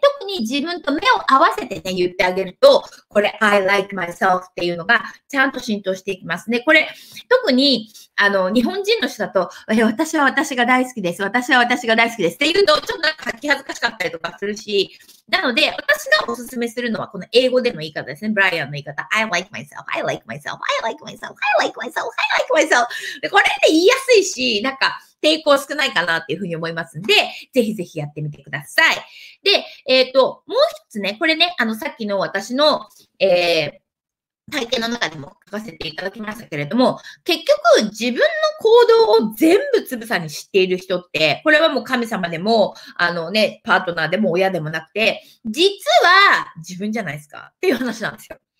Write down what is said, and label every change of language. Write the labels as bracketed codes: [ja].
[ja] 特に自分と目を合わせてね、言ってあげると、これ [en] I like myself [ja] っていうのがちゃんと浸透していきますね。これ、特に、日本人の人だと、私は私が大好きです、私は私が大好きですっていうと、ちょっとなんか恥ずかしかったりとかするし、なので、私がおすすめするのは、この英語での言い方ですね。ブライアンの言い方。 [en] I like myself, I like myself, I like myself, I like myself, I like myself. [ja] で、これって言いやすいし、なんか、抵抗少ないかなっていうふうに思いますんで、ぜひぜひやってみてください。で、もう一つね、これね、さっきの私の、体験の中でも書かせていただきましたけれども、結局自分の行動を全部つぶさに知っている人って、これはもう神様でも、パートナーでも親でもなくて、実は自分じゃないですかっていう話なんですよ。